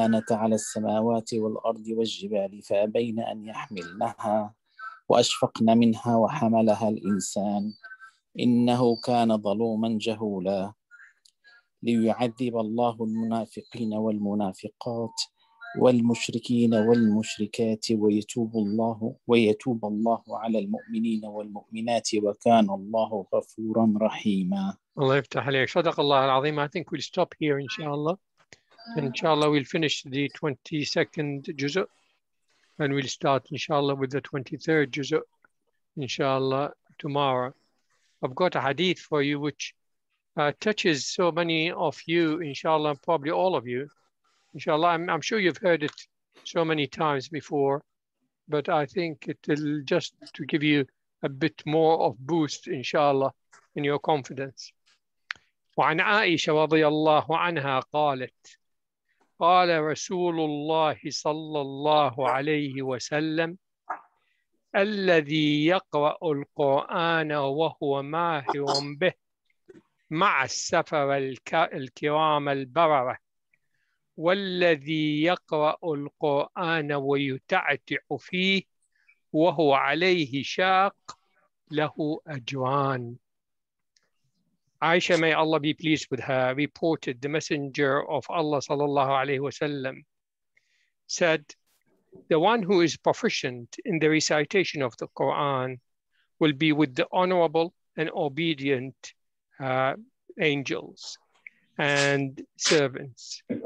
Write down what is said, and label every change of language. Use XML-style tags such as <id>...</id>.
<ar>على السماوات والأرض والجبال فأبين أن يحملنها وأشفقن منها وحملها الإنسان إنه كان ظلوما جهولا ليعذب الله المنافقين والمنافقات والمشركين والمشركات ويتوب الله على المؤمنين والمؤمنات وكان الله غفورا رحيما الله يفتح عليك صدق الله العظيم.</ar> <en>I think we'll stop here inshallah, and inshallah we'll finish the 22nd juz and we'll start inshallah with the 23rd juz inshallah tomorrow. I've got a hadith for you which touches so many of you inshallah, probably all of you inshallah. I'm sure you've heard it so many times before, but I think it'll just to give you a bit more of boost inshallah in your confidence.</en> <ar>وعن عائشة رضي الله عنها قالت قال رسول الله صلى الله عليه وسلم الذي يقرأ القرآن وهو ماهر به مع السفر الكرام البررة والذي يقرأ القرآن ويتعتع فيه وهو عليه شاق له أجران.</ar> <en>Aisha, may Allah be pleased with her, reported the messenger of Allah sallallahu alayhi wa sallam said, the one who is proficient in the recitation of the Quran will be with the honorable and obedient angels and servants.</en>